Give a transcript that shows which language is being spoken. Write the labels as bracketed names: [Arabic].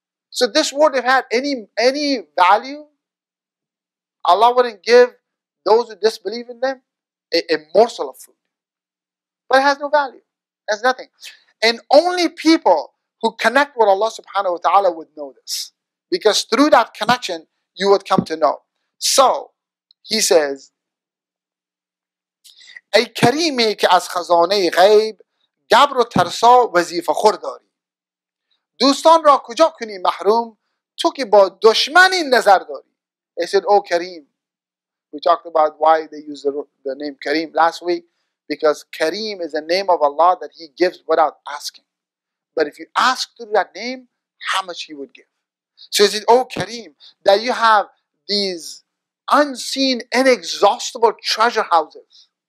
[English] So this world, if had any value, Allah wouldn't give those who disbelieve in them a morsel of food. But it has no value. It has nothing. And only people who connect with Allah subhanahu wa ta'ala would know this. Because through that connection, you would come to know. [Persian] So, he says, ای کریمی که از خزانه غیب گبر و ترسا وظیفه خور داری. دوستان را کجا کنی محروم تو که با دشمنی نظر داری. [English] He said, oh Kareem. We talked about why they use the name Kareem last week. Because Kareem is a name of Allah that he gives without asking. But if you ask through that name, how much he would give. So he said, oh Kareem, that you have these unseen, inexhaustible treasure houses.